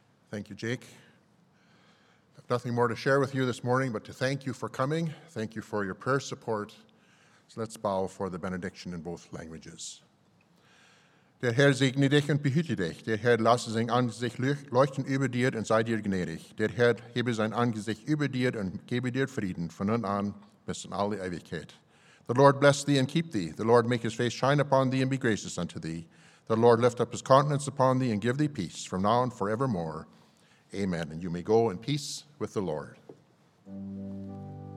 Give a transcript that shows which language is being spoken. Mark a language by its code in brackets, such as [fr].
[en] Thank you, Jake. I have nothing more to share with you this morning but to thank you for coming. Thank you for your prayer support. So let's bow for the benediction in both languages. [de] Der Herr segne dich und behüte dich. Der Herr lasse sein Angesicht leuchten über dir und sei dir gnädig. Der Herr hebe sein Angesicht über dir und gebe dir Frieden von nun an bis in alle Ewigkeit. [en] The Lord bless thee and keep thee. The Lord make his face shine upon thee and be gracious unto thee. The Lord lift up his countenance upon thee and give thee peace from now and forevermore. Amen. And you may go in peace with the Lord.